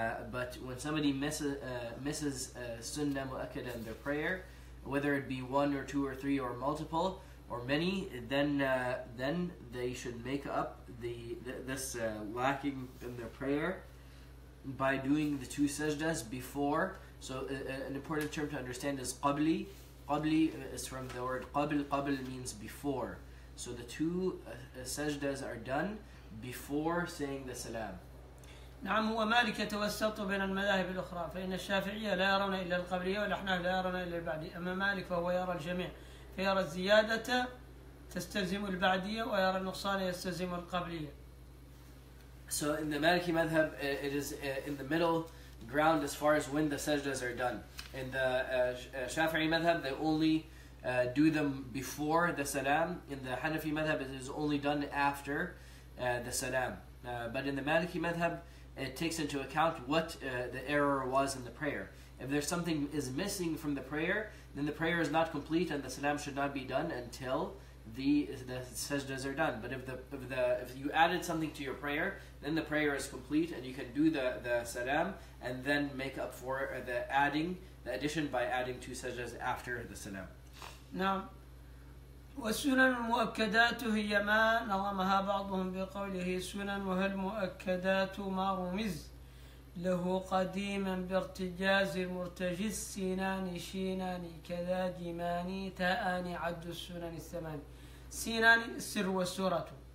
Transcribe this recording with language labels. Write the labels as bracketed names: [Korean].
[English] but when somebody misses a sunnah mu'akkada in their prayer, whether it be one or two or three or multiple or many, then they should make up this lacking in their prayer by doing the two sajdas before. So an important term to understand is qabli. Qabli is from the word qabl. Qabl means before. So the two sajdas are done before saying the salam. [Arabic] نعم هو مالك يتوسط بين المذاهب الأخرى، فإن الشافعية لا يرون إلا القبلية والأحناف لا يرون إلا البعدية، أما مالك فهو يرى الجميع، فيرى الزيادة تستلزم البعدية ويرى النقصان يستلزم القبلية. [English] So in the Maliki madhab, it is in the middle ground as far as when the sajdas are done. In the Shafi'i madhab, they only do them before the salam. In the Hanafi madhab, it is only done after the salam. But in the Maliki madhab, it takes into account what the error was in the prayer. If there's something is missing from the prayer, then the prayer is not complete and the salam should not be done until the sajdas are done. But if you added something to your prayer, then the prayer is complete and you can do the salam and then make up for the adding, the addition by adding two sajdas after the salam. [Arabic] Now, والسنن المؤكدات هي ما نظمها بعضهم بقوله سنن وهي المؤكدات ما رمز له قديما بارتجاز المرتجز سيناني شيناني كذا ديماني تاني عد السنن الثمان سيناني السر والسورة